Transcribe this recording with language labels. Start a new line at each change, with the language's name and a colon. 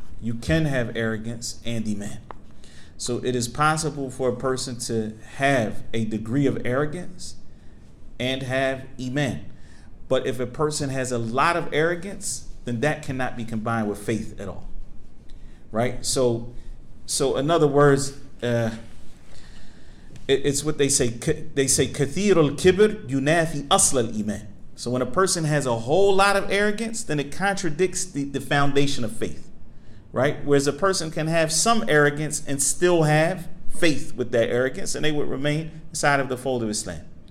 English: You can have arrogance and iman. So it is possible for a person to have a degree of arrogance and have iman. But if a person has a lot of arrogance, then that cannot be combined with faith at all. Right? So in other words, it's what they say. They say,
Arabic: كثير الكبر ينافي أصل الإيمان.
English: So when a person has a whole lot of arrogance, then it contradicts the foundation of faith. Right? Whereas a person can have some arrogance and still have faith with that arrogance, and they would remain inside of the fold of Islam.